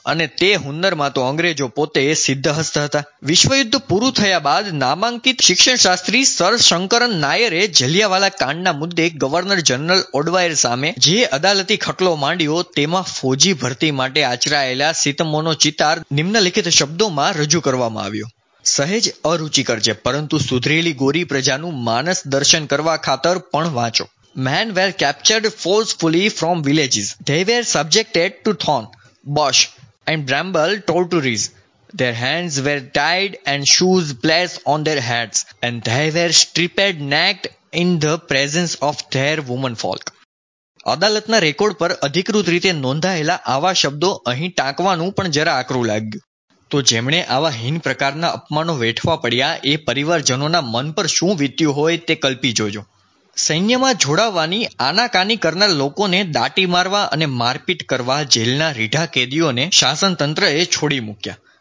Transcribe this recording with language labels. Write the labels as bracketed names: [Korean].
[Gujarati] અને તે હુન્નરમાં તો અંગ્રેજો પોતે સિદ્ધ હસ્ત હતા. વિશ્વયુદ્ધ પૂરું થયા બાદ નામાંકિત શિક્ષણશાસ્ત્રી સર શંકરન નાયરે જલિયાવાલા કાંડના મુદ્દે ગવર્નર જનરલ ઓડવાયર સામે જે અદાલતી ખટલો માંડ્યો તેમાં ફોજી ભરતી માટે આચરાયેલા સીતમોનો ચિતાર નિમ્નલિખિત શબ્દોમાં રજૂ કરવામાં આવ્યો. સહેજ અરુચિકર છે, પરંતુ સુધરેલી ગોરી પ્રજાનું માનસ દર્શન કરવા ખાતર પણ વાંચો. [English] Men were captured forcefully from villages. They were subjected to thorn, bush, and bramble torturies. Their hands were tied and shoes placed on their heads, and they were stripped naked in the presence of their womenfolk. [Gujarati] અદાલતના record પર અધિકૃત રીતે નોંધાયેલા આવા શબ્દો અહીં ટાંકવાનું પણ જરા આકરું લાગ્યું. તો જેમણે આવા હીન પ્રકારના અપમાનો વેઠવા પડ્યા એ પરિવારજનોના મન પર શું વીત્યું હોય તે કલ્પી જોજો. સૈન્યમાં જોડાવવાની આનાકાની કરનાર લોકોને દાટી મારવા અને મારપીટ કરવા જેલના રીઢા કેદીઓને શાસનતંત્રએ છોડી મૂક્યા.